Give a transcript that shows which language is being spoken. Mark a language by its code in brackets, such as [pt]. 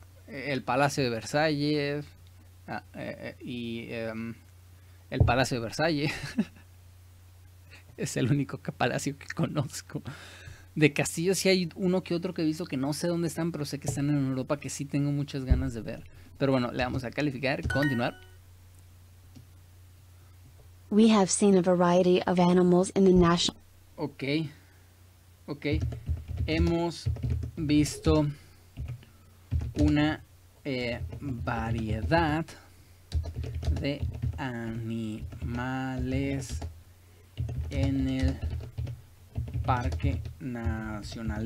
[es] El Palacio de Versalles. El Palacio de Versalles. Es el único palacio que conozco. De castillos, sí hay uno que otro que he visto que no sé dónde están, pero sé que están en Europa, que sí tengo muchas ganas de ver. Pero bueno, le vamos a calificar, continuar. [en] We have seen a variety of animals in the national. Ok. [es] Hemos visto una variedad de animales en el Parque Nacional.